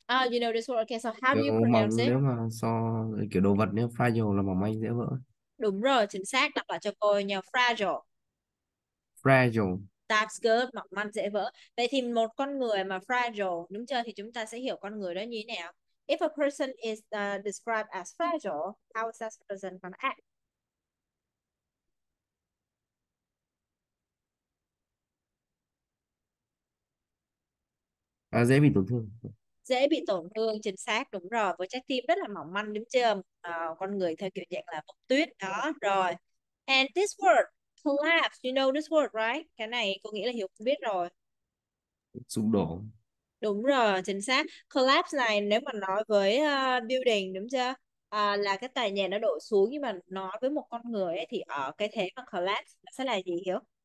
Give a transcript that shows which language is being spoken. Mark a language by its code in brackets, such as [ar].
[en] You know this word. Okay, so how do you [vi] Kiểu [en] pronounce [vi] mỏng [en] it? [vi] nếu mà so kiểu đồ vật nếu pha dầu là mỏng manh dễ vỡ. Đúng rồi, chính xác. Đọc lại cho cô nhờ. Fragile. [en] Fragile. That's good. [vi] Mỏng manh, dễ vỡ. Vậy thì một con người mà fragile, đúng chưa? Thì chúng ta sẽ hiểu con người đó như thế nào. [en] If a person is described as fragile, how is that person gonna act? [vi] À, dễ bị tổn thương. Dễ bị tổn thương, chính xác, đúng rồi, với trái tim rất là mỏng manh, đúng chưa? Con người theo kiểu dạng là bông tuyết đó. [en] Rồi, and this word collapse, you know this word right? [vi] Cái này cô nghĩ là Hiếu cũng biết rồi. Sụp đổ. Đúng rồi, chính xác. Collapse này nếu mà nói với building, đúng chưa, là cái tòa nhà nó đổ xuống, nhưng mà nói với một con người ấy, thì ở cái thế mà collapse nó sẽ là gì, Hiếu?